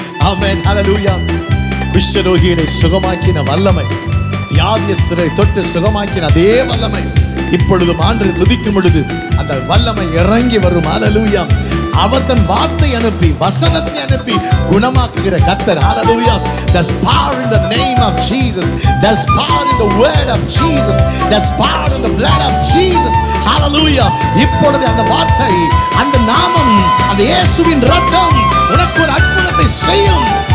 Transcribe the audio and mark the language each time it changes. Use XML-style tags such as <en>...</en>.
<ta>ஆமென். ஹல்லேலூயா. குஷ்டரோகியினை சுகமாக்கின வல்லமை, வியாதியஸ்தரை தொட்டு சுகமாக்கின அதே வல்லமை இப்பொழுதும் ஆண்டு துதிக்கும் பொழுது அந்த வல்லமை இறங்கி வரும். ஹல்லேலூயா. அவர் தன் வார்த்தை அனுப்பி, வசனத்தை அனுப்பி குணமாக்குகிற கர்த்தர். ஹல்லேலூயா.</ta> <en>There's power in the name of Jesus. There's power in the word of Jesus. There's power in the blood of Jesus. Hallelujah.</en> <ta>இப்பொழுது அந்த வார்த்தை, அந்த நாமம், அந்த இயேசுவின் ரத்தம் உனக்கு ஒரு அற்புதத்தை செய்யும்.</ta>